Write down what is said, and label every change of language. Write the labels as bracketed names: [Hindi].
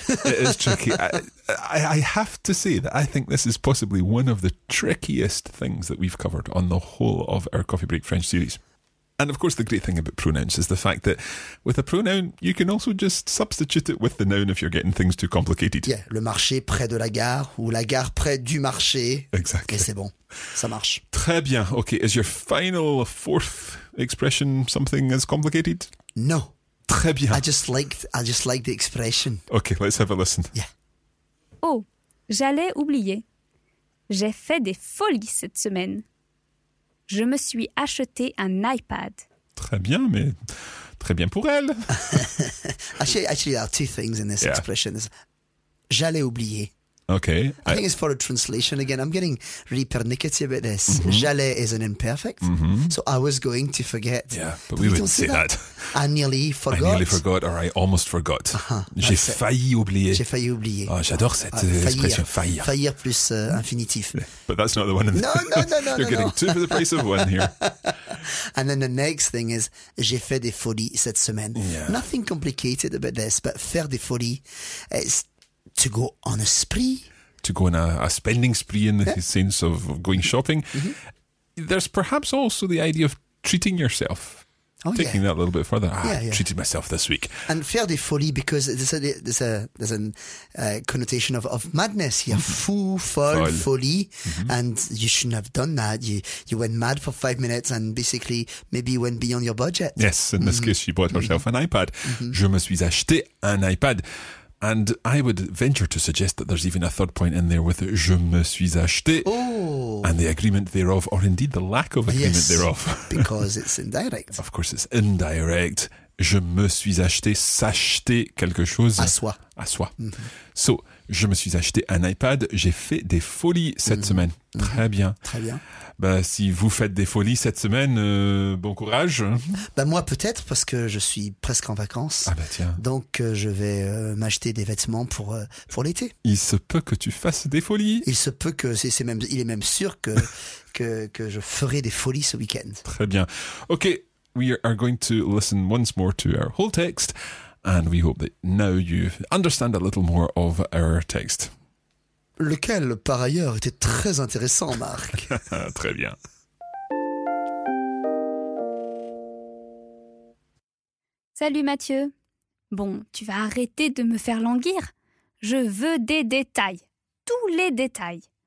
[English] It is tricky. I have to say that I think this is possibly one of the trickiest things that we've covered on the whole of our Coffee Break French series. And of course, the great thing about pronouns is the fact that with a pronoun, you can also just substitute it with the noun if you're getting things too complicated. [French] Yeah, le marché près de la gare ou la gare près du marché. [English] Exactly. [French] Et c'est bon. Ça marche. Très bien. [English] Okay, is your final fourth expression something as complicated? No. [French] Très bien. [English] I just liked the expression. Okay, let's have a listen. Yeah. [French] Oh, j'allais oublier. J'ai fait des folies cette semaine. Je me suis acheté un iPad. Très bien, mais très bien pour elle. [English] actually, there are two things in this expression. [French] J'allais oublier. [English] Okay. I think it's for a translation again. I'm getting really pernickety about this. Mm-hmm. J'allais is an imperfect. Mm-hmm. So I was going to forget. Yeah, but we wouldn't say that. I nearly forgot. I nearly forgot or I almost forgot. Uh-huh, [French] J'ai failli oublier. Oh, j'adore cette expression, faillir. Faillir plus infinitif. [English] But that's not the one. No, you're getting two for the price of one here. And then the next thing is, j'ai fait des folies cette semaine. Yeah. Nothing complicated about this, but [French] faire des folies, [English] it's... to go on a spree. To go on a spending spree in the sense of going shopping. Mm-hmm. There's perhaps also the idea of treating yourself. Oh, taking that a little bit further. I treated myself this week. And [French] faire des folies, [English] because there's a connotation of madness here. Folie. Mm-hmm. And you shouldn't have done that. You went mad for 5 minutes and basically maybe went beyond your budget. Yes, in this case, she bought herself an iPad. Mm-hmm. [French] Je me suis acheté un iPad. [English] And I would venture to suggest that there's even a third point in there with [French] je me suis acheté [English] and the agreement thereof, or indeed the lack of agreement thereof. Because it's indirect. Of course, it's indirect. [French] Je me suis acheté s'acheter quelque chose. À soi. À soi. Mm-hmm. So, je me suis acheté un iPad. J'ai fait des folies cette semaine. Mm-hmm. Très bien. Très bien. Bah, si vous faites des folies cette semaine, bon courage. Bah, moi, peut-être, parce que je suis presque en vacances. Ah bah tiens. Donc, je vais m'acheter des vêtements pour l'été. Il se peut que tu fasses des folies. Il se peut que, il est même sûr que je ferai des folies ce week-end. Très bien. [English] OK, we are going to listen once more to our whole text. And we hope that now you understand a little more of our text. [French] Lequel, par ailleurs, était très intéressant, Marc. Très bien. Salut Mathieu. Bon, tu vas arrêter de me faire languir. Je veux des détails. Tous les détails.